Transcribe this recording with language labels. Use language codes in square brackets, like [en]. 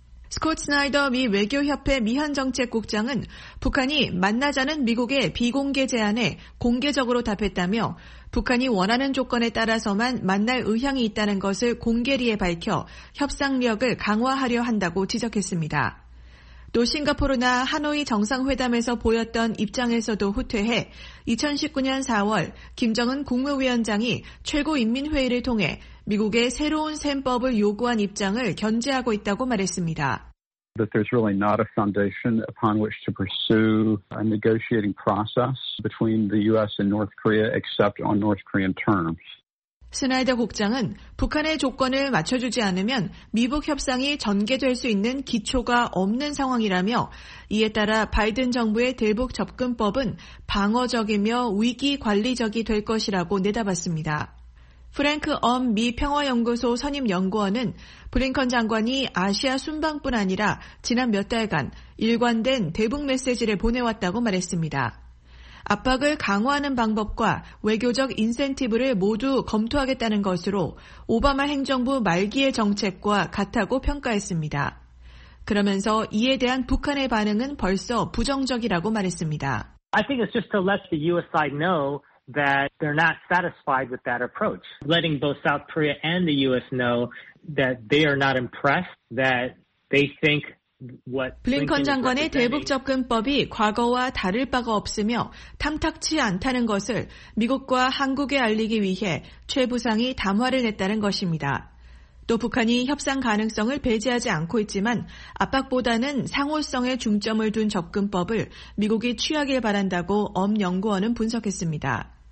[ko] 스콧 스나이더 미 외교협회 미한정책국장은 북한이 만나자는 미국의 비공개 제안에 공개적으로 답했다며 북한이 원하는 조건에 따라서만 만날 의향이 있다는 것을 공개리에 밝혀 협상력을 강화하려 한다고 지적했습니다. 또 싱가포르나 하노이 정상회담에서 보였던 입장에서도 후퇴해 2019년 4월 김정은 국무위원장이 최고인민회의를 통해 미국의 새로운 셈법을 요구한 입장을 견제하고 있다고 말했습니다. [en] That there's really not a foundation upon which to pursue a negotiating process between the U.S. and North Korea except on North Korean terms. [ko] 스나이더 국장은 북한의 조건을 맞춰주지 않으면 미북 협상이 전개될 수 있는 기초가 없는 상황이라며 이에 따라 바이든 정부의 대북 접근법은 방어적이며 위기 관리적이 될 것이라고 내다봤습니다. 프랭크 엄 미 평화연구소 선임 연구원은 블링컨 장관이 아시아 순방뿐 아니라 지난 몇 달간 일관된 대북 메시지를 보내왔다고 말했습니다. 압박을 강화하는 방법과 외교적 인센티브를 모두 검토하겠다는 것으로 오바마 행정부 말기의 정책과 같다고 평가했습니다. 그러면서 이에 대한 북한의 반응은 벌써 부정적이라고 말했습니다. [en] I think it's just to let the U.S. side know that they're not satisfied with that approach, letting both South Korea and the U.S. know that they are not impressed, that they think [ko] 블링컨 장관의 대북 접근법이 과거와 다를 바가 없으며 탐탁치 않다는 것을 미국과 한국에 알리기 위해 최 부상이 담화를 냈다는 것입니다. 또 북한이 협상 가능성을 배제하지 않고 있지만 압박보다는 상호성에 중점을 둔 접근법을 미국이 취하길 바란다고 엄 연구원은 분석했습니다.